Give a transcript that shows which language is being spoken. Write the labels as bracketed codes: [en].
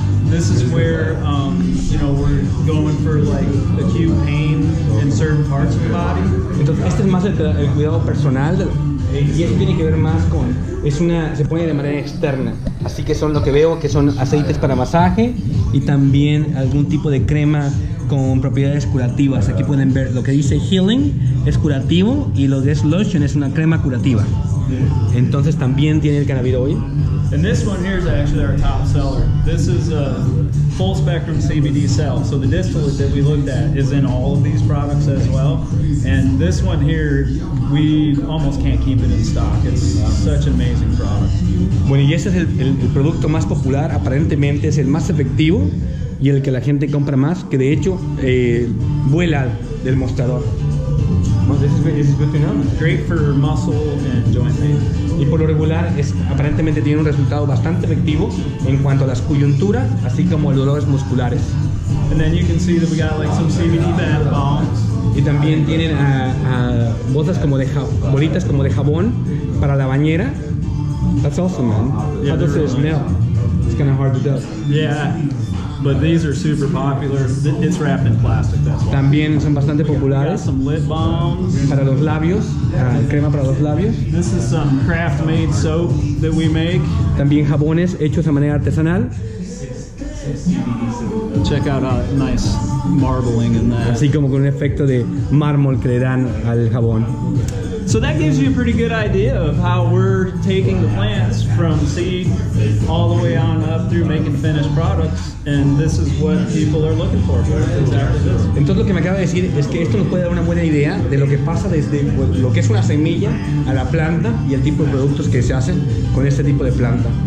[en] This is where, you know, we're going for like acute pain in certain parts of the body. [es] Entonces, este es más el cuidado personal, y esto tiene que ver más con, se pone de manera externa. Así que son lo que veo, que son aceites para masaje y también algún tipo de crema con propiedades curativas. Aquí pueden ver lo que dice healing, es curativo, y lo de lotion es una crema curativa. Entonces también tiene el cannabinoid. [en] And this one here is actually our top seller. This is a full spectrum CBD cell. So the distillate that we looked at is in all of these products as well. And this one here, we almost can't keep it in stock. It's such an amazing product. [es] Bueno, y este es el producto más popular, aparentemente es el más efectivo y el que la gente compra más, que de hecho vuela del mostrador. [en] Well, this is very es good to know. Great for muscle and joint pain. [es] Y por lo regular, es, aparentemente tiene un resultado bastante efectivo en cuanto a las coyunturas, así como a los dolores musculares. [en] And then you can see that we got like some CBD bath bombs. [es] Y también tienen botas como de bolitas como de jabón para la bañera. [en] That's awesome, man. Yeah, how does it smell? It's kind of hard to tell. Yeah, but these are super popular. It's wrapped in plastic. That's why. [es] También son bastante populares. [en] Got some lip balms [es] para los labios, crema para los labios. [en] This is some craft-made soap that we make. [es] También jabones hechos a manera artesanal. [en] Check out a nice marbling in that. [es] Así como con un efecto de mármol que le dan al jabón. [en] So that gives you a pretty good idea of how we're taking the plants from seed all the way on up through making finished products, and this is what people are looking for. [es] Entonces lo que me acaba de decir es que esto nos puede dar una buena idea de lo que pasa desde lo que es una semilla a la planta y el tipo de productos que se hacen con este tipo de planta.